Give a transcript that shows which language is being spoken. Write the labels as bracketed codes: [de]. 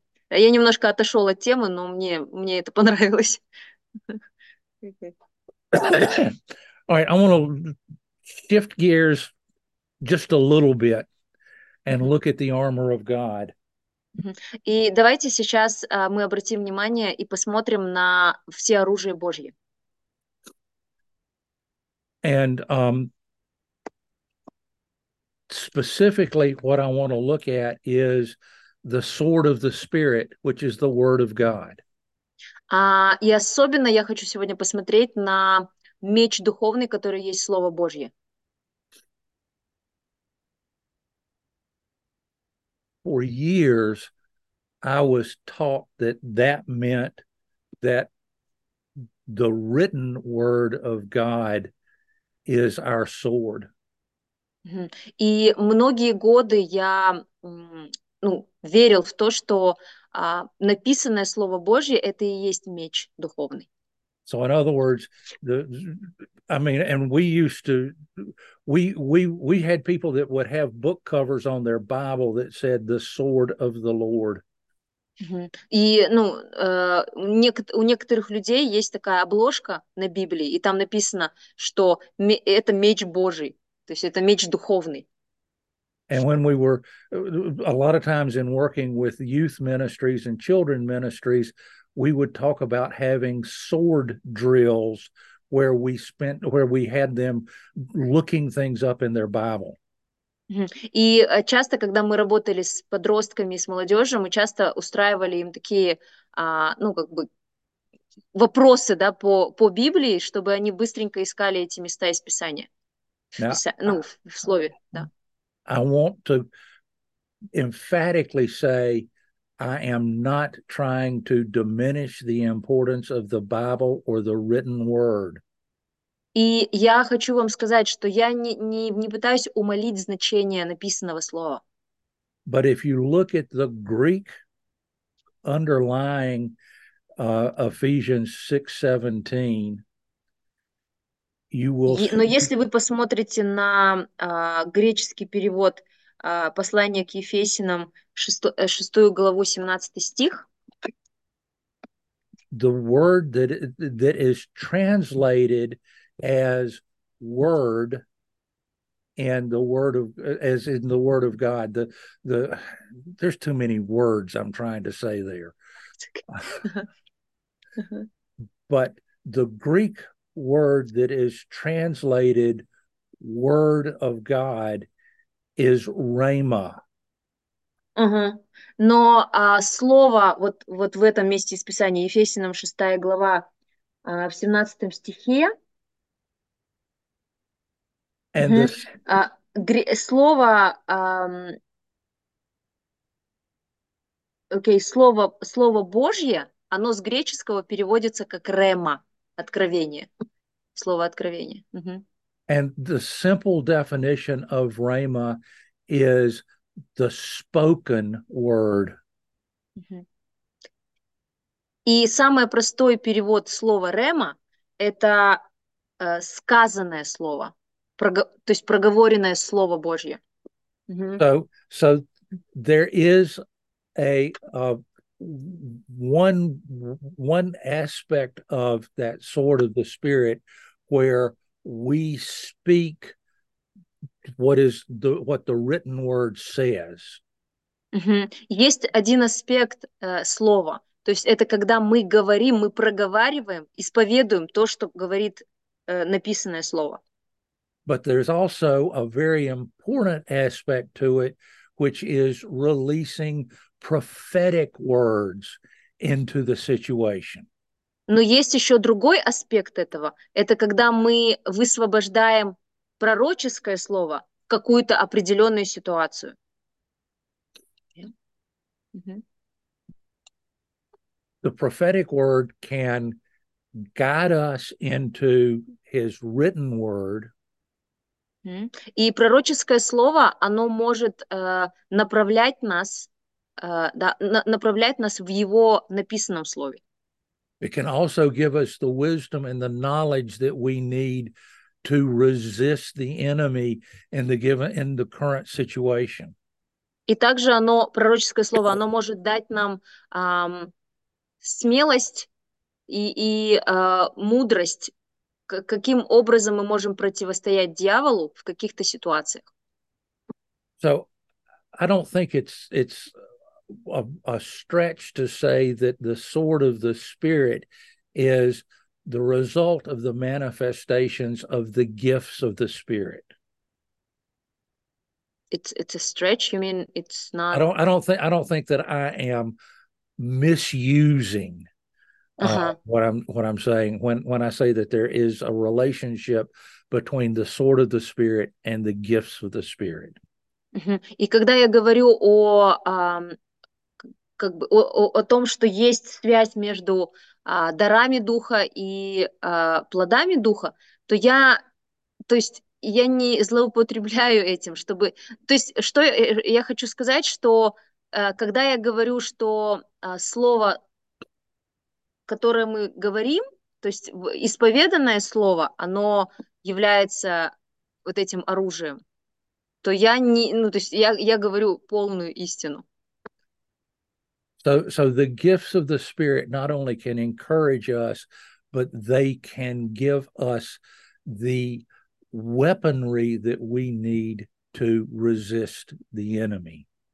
[ru] Я немножко отошел от темы, но мне это понравилось. [en] All right, I want to shift gears just a little bit and look at the armor of God. [ru] И давайте сейчас мы обратим внимание и посмотрим на все оружие Божье. [en] And specifically, what I want to look at is the sword of the Spirit, which is the Word of God. [ru] И особенно я хочу сегодня посмотреть на меч духовный, который есть Слово Божье. [en] For years, I was taught that that meant that the written word of God is our sword. [ru] И многие годы я, ну, верил в то, что написанное слово Божье — это и есть меч духовный. [en] So in other words, we had people that would have book covers on their Bible that said the sword of the Lord. [ru] И, ну, у некоторых людей есть такая обложка на Библии, и там написано, что это меч Божий, то есть это меч духовный. [en] And when we were, a lot of times in working with youth ministries and children ministries, we would talk about having sword drills where we had them looking things up in their Bible. [ru] И часто, когда мы работали с подростками и с молодежью, мы часто устраивали им такие, ну, как бы, вопросы, да, по Библии, чтобы они быстренько искали эти места из Писания, в Слове, да. [en] I want to emphatically say I am not trying to diminish the importance of the Bible or the written word. [ru] И я хочу вам сказать, что я не пытаюсь умалить значение написанного слова. [en] But if you look at the Greek underlying Ephesians 6:17, you will see... [ru] Но если вы посмотрите на греческий перевод послания к Ефесянам, 6 главу, 17 стих, [en] the word that is translated as word and the word of as in the word of God, the there's too many words I'm trying to say there. But the Greek word that is translated word of God is rhema. [ru] Но слово вот в этом месте из Писания, Ефесянам 6 глава, в 17 стихе. [en] And this. [ru] Слово Божье, оно с греческого переводится как рема, откровение. Слово откровение. [en] And the simple definition of rhema is the spoken word. [ru] И самый простой перевод слова рема – это сказанное слово, то есть проговоренное слово Божье. [en] So there is a one aspect of that sword of the Spirit where we speak what the written word says. [ru] Есть один аспект слова. То есть это когда мы говорим, мы проговариваем, исповедуем то, что говорит написанное слово. [en] But there's also a very important aspect to it, which is releasing prophetic words into the situation. [ru] Но есть еще другой аспект этого. Это когда мы высвобождаем пророческое слово в какую-то определенную ситуацию. [en] The prophetic word can guide us into his written word. [ru] И пророческое слово, оно может направлять нас в его написанном слове. [en] It can also give us the wisdom and the knowledge that we need to resist the enemy in the current situation. [ru] И также оно, пророческое слово, оно может дать нам смелость и мудрость, каким образом мы можем противостоять дьяволу в каких-то ситуациях. [en] So, I don't think it's a stretch to say that the sword of the Spirit is the result of the manifestations of the gifts of the Spirit. It's a stretch. You mean it's not? I don't think that I am misusing what I'm saying when I say that there is a relationship between the sword of the Spirit and the gifts of the Spirit. [ru] И когда я говорю о как бы о том, что есть связь между дарами духа и плодами духа, то я, то есть я не злоупотребляю этим, чтобы... То есть, что я хочу сказать, что когда я говорю, что слово, которое мы говорим, то есть исповеданное слово, оно является вот этим оружием, то я не... Ну, то есть, я говорю полную истину. [en] So the gifts of the Spirit not only can encourage us, but they can give us the weaponry that we need to resist the enemy.